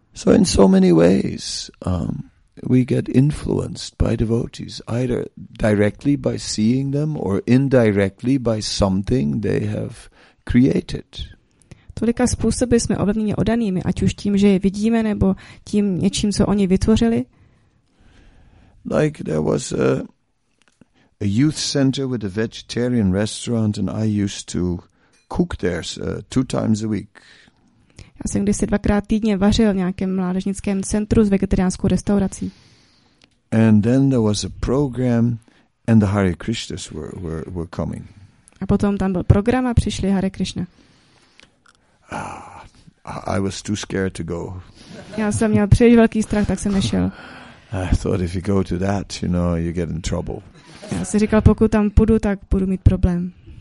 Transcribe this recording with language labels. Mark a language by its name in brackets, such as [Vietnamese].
[English] So in so many ways, we get influenced by devotees, either directly by seeing them or indirectly by something they have created. [Czech] Tolika způsoby jsme ovlivněni odanými, ať už tím, že je vidíme, nebo tím něčím, co oni vytvořili. [English] Like there was a youth center with a vegetarian restaurant and I used to cook there two times a week. [Czech] Já jsem kdysi dvakrát týdně vařil v nějakém mládežnickém centru s vegetariánskou restaurací. [English] And then there was a program and the Hare Krishnas were coming. [Czech] A potom tam byl program a přišli Hare Krishna. [English] I was too scared to go. [Czech] Já jsem měl příliš velký strach, tak jsem nešel. [English] I thought if you go to that, you know, you get in trouble. [Czech] Já si říkal, pokud tam půjdu, tak budu mít problém.